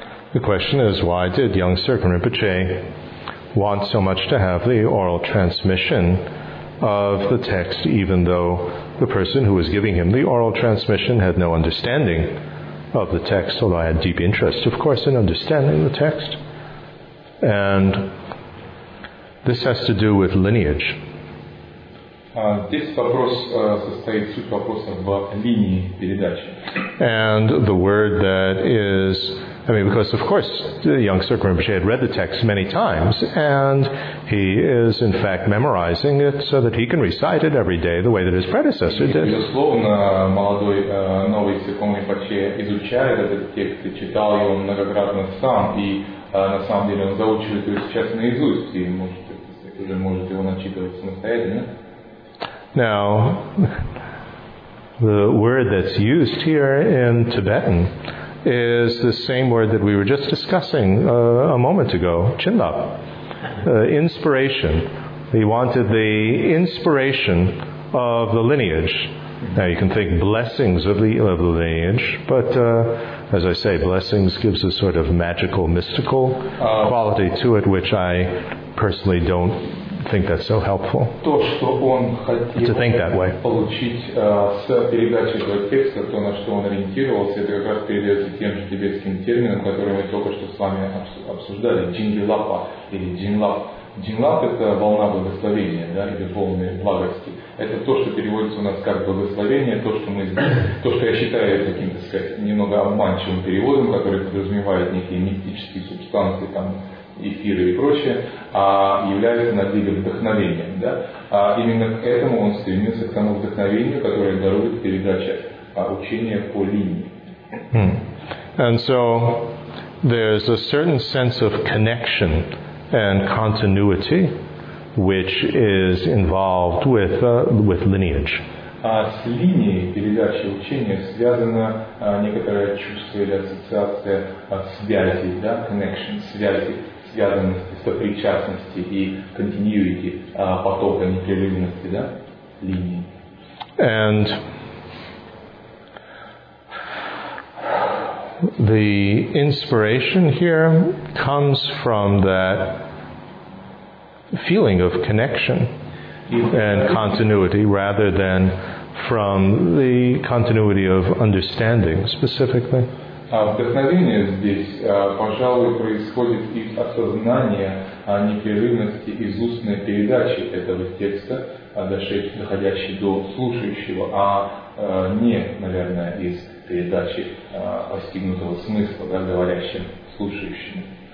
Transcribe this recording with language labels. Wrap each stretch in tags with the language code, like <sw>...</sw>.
<en>The question is, why did young Serpen Rinpoche want so much to have the oral transmission of the text, even though the person who was giving him the oral transmission had no understanding of the text, although I had deep interest, of course, in understanding the text? And This has to do with lineage.</en> <ru>Здесь вопрос состоит, суть вопроса в линии передачи.</ru> <en>And the word that is, I mean, because of course the young Sirkar Rinpoche had read the text many times, and he is in fact memorizing it so that he can recite it every day the way that his predecessor did.</en> <ru>Безусловно, молодой новый Сирком Ринпоче изучает этот текст и читал его многократно сам, и на самом деле он заучил его сейчас наизусть, и может его начитывать самостоятельно.</ru> <en>Now, the word that's used here in Tibetan is the same word that we were just discussing a moment ago, chindap, inspiration. He wanted the inspiration of the lineage. Now, you can think blessings of the lineage, but as I say, blessings gives a sort of magical, mystical quality to it, which I personally don't think that's so helpful.</en> <ru>То, что он хотел</ru> <en>to think that way.</en> <ru>Получить с передачи этого текста, то, на что он ориентировался, это как раз передается тем же тибетским термином, который мы только что с вами обсуждали, джинлапа или джинлап. Джинлап — это волна благословения, да, или волны благости. Это то, что переводится у нас как благословение, то, что мы то, что я считаю таким, так сказать, немного обманчивым переводом, который подразумевает некие мистические субстанции там, эфиры и прочее, а является наделем вдохновением. Да? А именно к этому он стремился, к тому вдохновению, которое дарует передача учения по линии. Hmm.</ru> <en>And so there's a certain sense of connection and continuity which is involved with lineage.</en> <ru>А с линией передачи учения связано некоторое чувство или ассоциация связи, да, connection, связи. Связанности, сопричастности и continuity потока непрерывности, да, линии.</ru> <en>And the inspiration here comes from that feeling of connection and continuity rather than from the continuity of understanding specifically.</en> <ru>Вдохновение здесь, пожалуй, происходит из осознания непрерывности из устной передачи этого текста, доходящей до слушающего, а не, наверное, из передачи постигнутого смысла, да, говорящим слушающим.</ru>